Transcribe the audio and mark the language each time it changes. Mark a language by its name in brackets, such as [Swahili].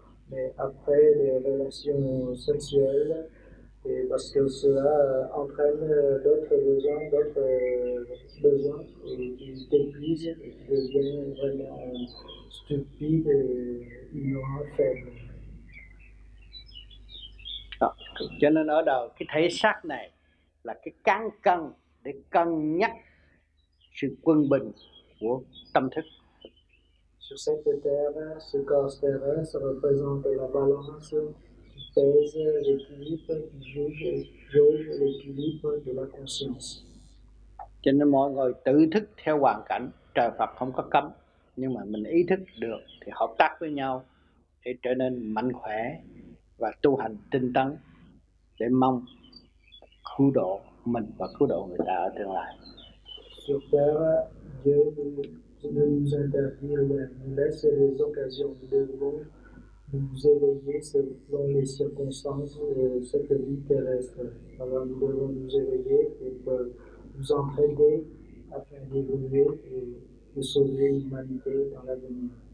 [French] Mais après les relations sexuelles, et parce que cela entraîne d'autres besoins, et tu t'épuises et tu deviens vraiment stupide et ignorant, faible. [Vietnamese] Cho nên ở đầu cái thể xác này là cái cán cân để cân nhắc sự quân bình của tâm thức. [French] sur cette terre, ce corps terrestre représente la balance qui pèse l'équilibre, qui jauge l'équilibre de la conscience. [Vietnamese] Cho nên mọi người tự thức theo hoàn cảnh, trời Phật không có cấm. Nhưng mà mình ý thức được thì hợp tác với nhau để trở nên mạnh khỏe và tu hành tinh tấn để mong cứu độ mình và cứu độ người ta ở tương lai. [French] Sur terre, Dieu nous interdit de nous laisser les occasions de nous éveiller selon les circonstances de cette vie terrestre. Alors nous devons nous éveiller et nous entraider afin d'évoluer et de sauver l'humanité dans l'avenir.